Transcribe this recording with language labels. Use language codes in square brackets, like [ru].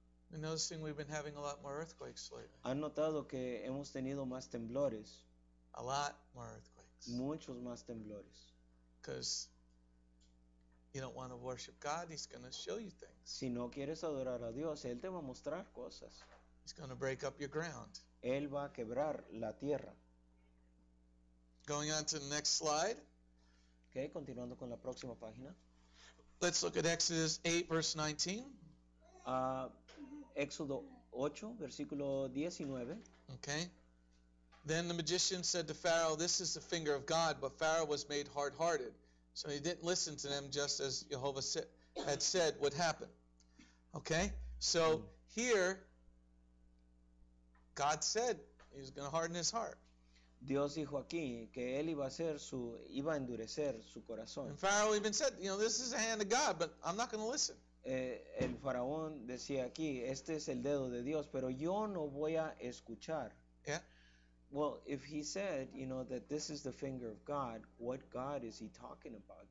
[en] And noticing we've been having a lot more earthquakes lately. [es] ¿Han notado que hemos tenido más temblores? [en] A lot more earthquakes. [es] Muchos más temblores. [en] Because you don't want to worship God, he's going to show you things. [es] Si no quieres adorar a Dios, él te va a mostrar cosas. [en] He's going to break up your ground. [es] Él va a quebrar la tierra. [en] Going on to the next slide. [es] Okay, continuando con la próxima página. [en] Let's look at Exodus 8, verse 19. [es] Éxodo 8, versículo 19. [en] Okay. Then the magician said to Pharaoh, "This is the finger of God," but Pharaoh was made hard-hearted. So he didn't listen to them, just as Jehovah had said would happen. Okay? So here, God said he's going to harden his heart. [es] Dios dijo aquí que él iba a endurecer su corazón. [en] And Pharaoh even said, you know, this is the hand of God, but I'm not going to listen. [es] El faraón decía aquí, este es el dedo de Dios, pero yo no voy a escuchar. [en] Yeah. Well, if he said, you know, that this is the finger of God, what God is he talking about?